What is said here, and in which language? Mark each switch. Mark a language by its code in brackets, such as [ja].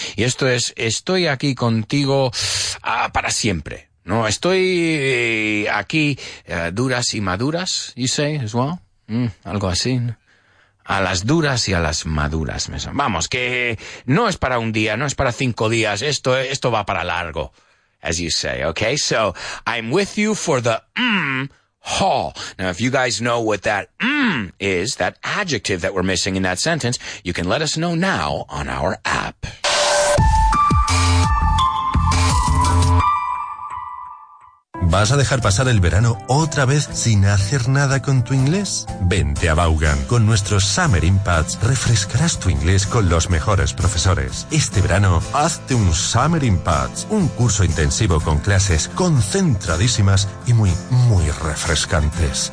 [es] Y esto es, estoy aquí contigo para siempre. No, estoy aquí duras y maduras, [en] you say, as well. [es] Algo así. A las duras y a las maduras. Vamos, que no es para un día, no es para cinco días. Esto va para largo, [en] as you say, okay? So, I'm with you for the haul. Now, if you guys know what that is, that adjective that we're missing in that sentence, you can let us know now on our app. [es] ¿Vas a dejar pasar el verano otra vez sin hacer nada con tu inglés? Vente a Vaughan. Con nuestros Summer Impacts refrescarás tu inglés con los mejores profesores. Este verano, hazte un Summer Impacts, un curso intensivo con clases concentradísimas y muy, muy refrescantes.